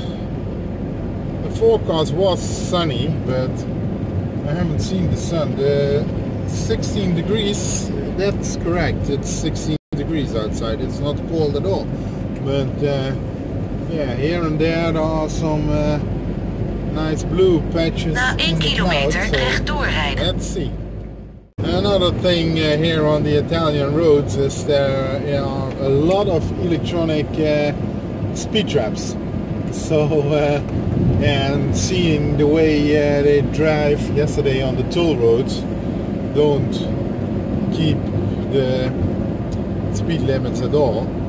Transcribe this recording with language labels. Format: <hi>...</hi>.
<en>The forecast was sunny, but I haven't seen the sun. The 16 degrees, that's correct, it's 16 degrees outside, it's not cold at all. But yeah, here and there are some nice blue patches.</en> <nl>Na 1 kilometer recht doorrijden.</nl> <en>Let's see. Another thing here on the Italian roads is there are a lot of electronic speed traps. So, and seeing the way they drive yesterday on the toll roads, don't keep the speed limits at all.</en>